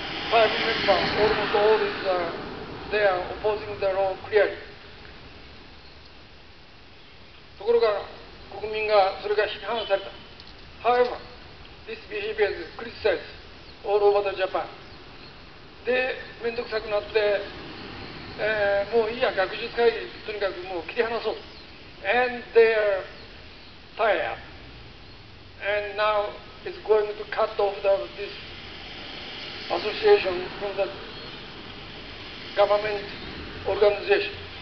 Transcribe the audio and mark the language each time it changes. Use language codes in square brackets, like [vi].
[en] Prime Minister, almost all is there opposing the law clearly. [ja] ところが国民がそれが批判された。 [en] However, this behavior is criticized all over the Japan. [ja] で、めんどくさくなって、もういいや、学術会議、とにかくもう切り離そう。 [en] And they are tired. And now it's going to cut off this association from the government organization.